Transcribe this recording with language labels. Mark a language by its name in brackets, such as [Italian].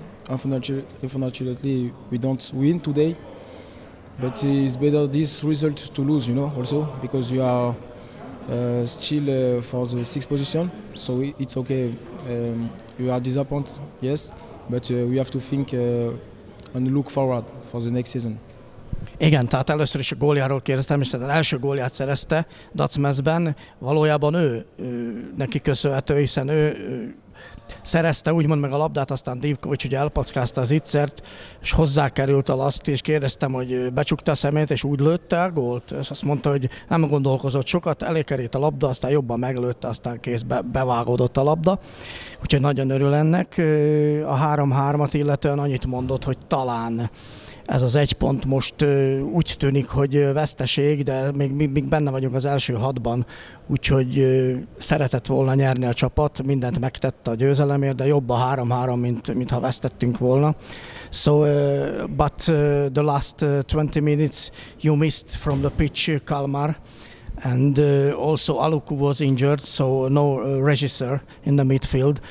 [English] Unfortunately, we don't win today. But it's better this result to lose, you know, also, because you are still for the sixth position, so it's okay. You are disappointed, yes, but we have to think and look forward for the next season. [Hungarian] Igen, tehát először is a góljáról kérdeztem, hiszen az első gólját szerezte Dacmezben, valójában ő neki köszönhető, hiszen ő szerezte úgymond meg a labdát, aztán Divković ugye elpackázta az ittszert, és hozzákerült a laszt, és kérdeztem, hogy becsukta a szemét, és úgy lőtte a gólt, és azt mondta, hogy nem gondolkozott sokat, elékerült a labda, aztán jobban meglőtte, aztán kész, bevágódott a labda, úgyhogy nagyon örül ennek. A 3-3-at illetően annyit mondott, hogy talán ez az egy pont most úgy tűnik, hogy veszteség, de még benne vagyunk az első hatban, úgyhogy szeretett volna nyerni a csapat, mindent megtette a győzelemért, de jobb a 3-3, mint ha vesztettünk volna. [English] So, but the last 20 minutes you missed from the pitch, Kalmar, and also Aluku was injured, so no Regisseur in the midfield.